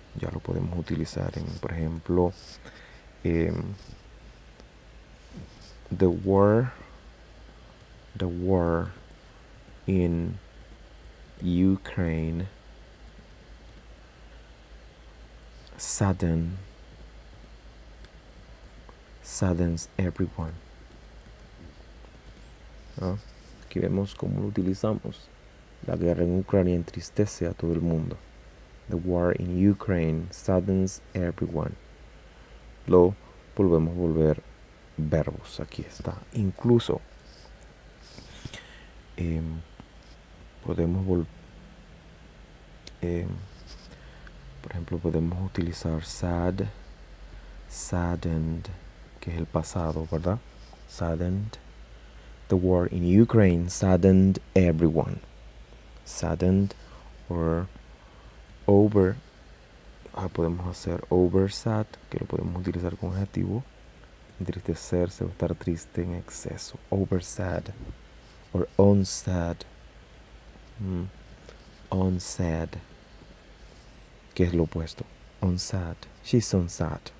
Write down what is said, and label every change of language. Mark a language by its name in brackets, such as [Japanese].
[Spanish] Ya lo podemos utilizar en, por ejemplo, [English] the war in Ukraine saddens everyone. [Spanish] ¿No? Aquí vemos cómo lo utilizamos. La guerra en Ucrania entristece a todo el mundo. [English] The war in Ukraine saddens everyone. [Spanish] Lo volvemos a volver verbos. Aquí está. Incluso podemos volver. Por ejemplo, podemos utilizar sad, saddened, que es el pasado, ¿verdad? [English] Saddened. The war in Ukraine saddened everyone. Saddened or over. [Spanish] Ah, podemos hacer over sad, que lo podemos utilizar como adjetivo. Entristecerse o estar triste en exceso. [English] Over sad. O unsad. Unsad. [Spanish] Que es lo opuesto. [English] Unsad. She's unsad.